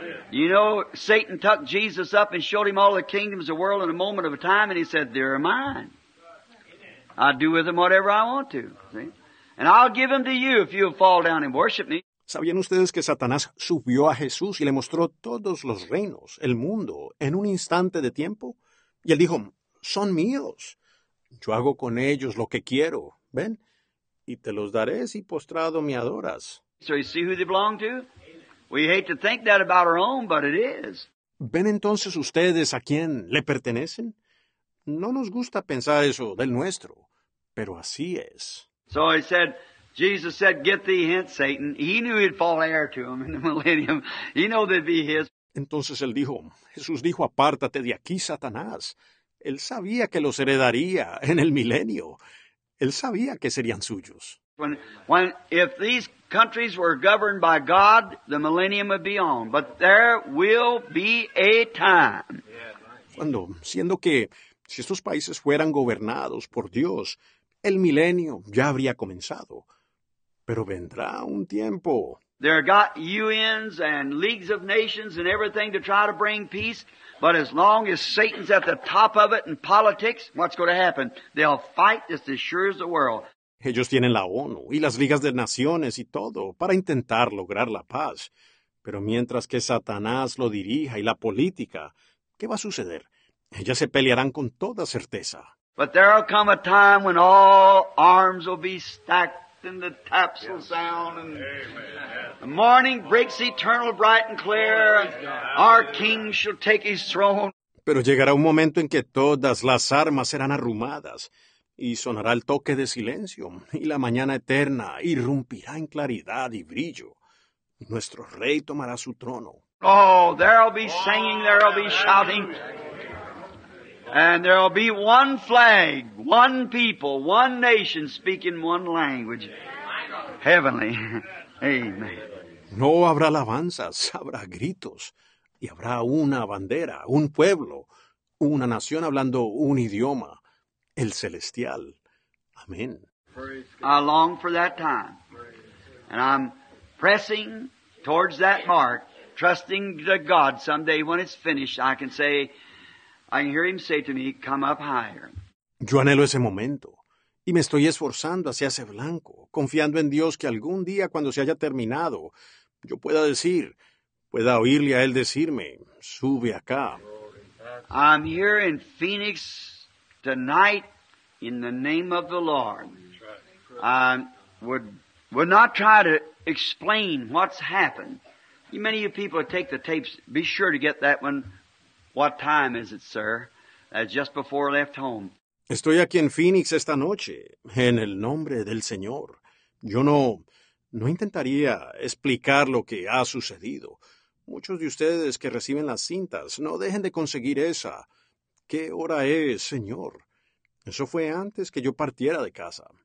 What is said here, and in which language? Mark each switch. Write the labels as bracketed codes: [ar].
[en] You know, Satan tucked Jesus up and showed him all the kingdoms of the world in a moment of time, and he said, they're mine. I do with them whatever I want to. See? And I'll give them to you if you'll fall down and worship me. [es] ¿Sabían ustedes que Satanás subió a Jesús y le mostró todos los reinos, el mundo, en un instante de tiempo? Y él dijo, son míos. Yo hago con ellos lo que quiero. ¿Ven? Y te los daré si postrado me adoras. [en] So you see who they belong to? We hate to think that about our own, but it is. [es] ¿Ven entonces ustedes a quién le pertenecen? No nos gusta pensar eso del nuestro, pero así es. [en] So he said, Jesus said, get thee hence, Satan. He knew he'd fall heir to him in the millennium. He knew they'd be his. [es] Entonces él dijo, Jesús dijo, apártate de aquí, Satanás. Él sabía que los heredaría en el milenio. Él sabía que serían suyos. [en] When if these countries were governed by God, the millennium would be on. But there will be a time. [es] Cuando, siendo que si estos países fueran gobernados por Dios, el milenio ya habría comenzado. Pero vendrá un tiempo. [en] There are got UNs and leagues of nations and everything to try to bring peace. But as long as Satan's at the top of it in politics, what's going to happen? They'll fight just as sure as the world. [es] Ellos tienen la ONU y las ligas de naciones y todo para intentar lograr la paz. Pero mientras que Satanás lo dirija y la política, ¿qué va a suceder? Ellas se pelearán con toda certeza. [en] But there'll come a time when all arms will be stacked. Then the taps will sound, and the morning breaks eternal, bright and clear. Our King shall take his throne. [es] Pero llegará un momento en que todas las armas serán arrumadas, y sonará el toque de silencio, y la mañana eterna irrumpirá en claridad y brillo. Nuestro Rey tomará su trono. [en] Oh, there'll be singing, there'll be shouting. And there will be one flag, one people, one nation speaking one language. Heavenly. Amen. [es] No habrá alabanzas, habrá gritos. Y habrá una bandera, un pueblo, una nación hablando un idioma, el celestial. Amén. [en] I long for that time. And I'm pressing towards that mark, trusting to God someday when it's finished, I can say, I hear him say to me, come up higher. [es] Yo anhelo ese momento, y me estoy esforzando hacia ese blanco, confiando en Dios que algún día cuando se haya terminado, yo pueda decir, pueda oírle a él decirme, sube acá. [en] I'm here in Phoenix tonight in the name of the Lord. I would not try to explain what's happened. Many of you people who take the tapes, be sure to get that one. What time is it, sir? That's just before I left home. [es] Estoy aquí en Phoenix esta noche, en el nombre del Señor. Yo no intentaría explicar lo que ha sucedido. Muchos de ustedes que reciben las cintas, no dejen de conseguir esa. ¿Qué hora es, Señor? Eso fue antes que yo partiera de casa.